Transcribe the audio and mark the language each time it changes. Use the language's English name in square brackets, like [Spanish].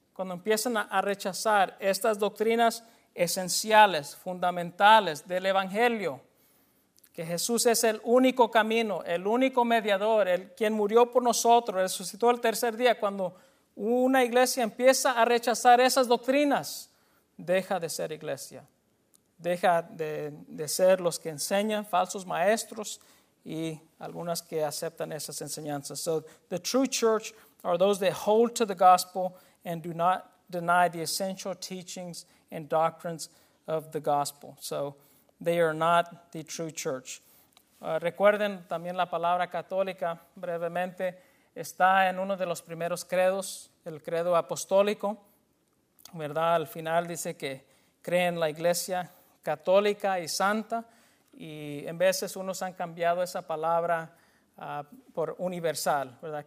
[Spanish] Cuando empiezan a rechazar estas doctrinas esenciales, fundamentales del Evangelio, que Jesús es el único camino, el único mediador, el quien murió por nosotros, resucitó el tercer día. Cuando una iglesia empieza a rechazar esas doctrinas, deja de ser iglesia. Deja de ser los que enseñan, falsos maestros y algunas que aceptan esas enseñanzas. [English] So the true church are those that hold to the gospel and do not deny the essential teachings and doctrines of the gospel. So they are not the true church. [Spanish] Recuerden también la palabra católica, brevemente, está en uno de los primeros credos, el credo apostólico, ¿verdad? Al final dice que cree en la iglesia católica y santa, y en veces unos han cambiado esa palabra por universal, ¿verdad?